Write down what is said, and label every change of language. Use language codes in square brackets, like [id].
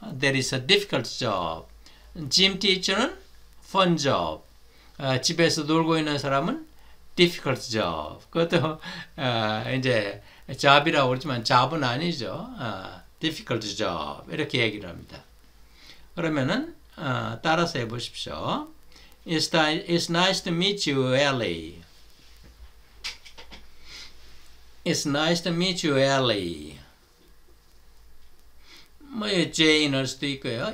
[en] That is a difficult job. Gym teacher는 fun job. [ko] 집에서 놀고 있는 사람은 difficult job. 그것도 이제 job이라고 그러지만 job은 아니죠. Difficult job. 이렇게 얘기를 합니다. 그러면은 따라서 해보십시오. [en] It's nice to meet you, Ellie. It's nice to meet you, Ellie. [ko] 뭐 Jane일 수도 있고요.